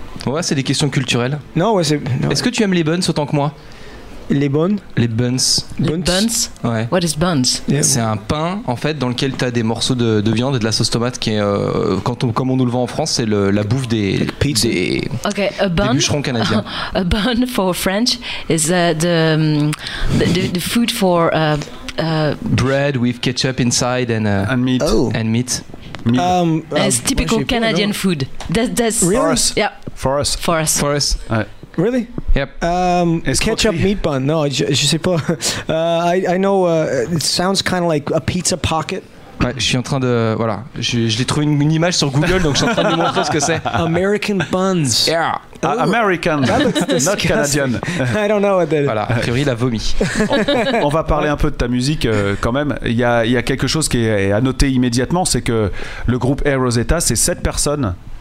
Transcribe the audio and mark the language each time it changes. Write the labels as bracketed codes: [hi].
[fr] Ouais, c'est des questions culturelles. Non, ouais, c'est. Non. Est-ce que tu aimes les buns autant que moi? Les buns? Les buns. Buns? Buns? Ouais. [en] What is buns? Yeah. [fr] C'est un pain, en fait, dans lequel tu as des morceaux de viande et de la sauce tomate qui est, comme on nous le vend en France, c'est la bouffe des. [en] Like pizza. [fr] Des bûcherons canadiens. [en] A bun for French is the food for Bread with ketchup inside and meat. It's typical Canadian food. That's really? For us. Yeah. For us. Really? Yep. Ketchup meat bun. No, [fr] je sais pas. [en] I know it sounds kind of like a pizza pocket. [fr] Ouais, je suis en train de voilà, je l'ai trouvé une image sur Google, donc je suis en train de lui montrer ce que c'est. [en] American buns. Yeah. Ooh, American. Not Canadian. I don't know what that is. [fr] Voilà, a priori il a vomi. On va parler un peu de ta musique quand même. Il y a quelque chose qui est à noter immédiatement, c'est que le groupe Air Rosetta, c'est 7 personnes.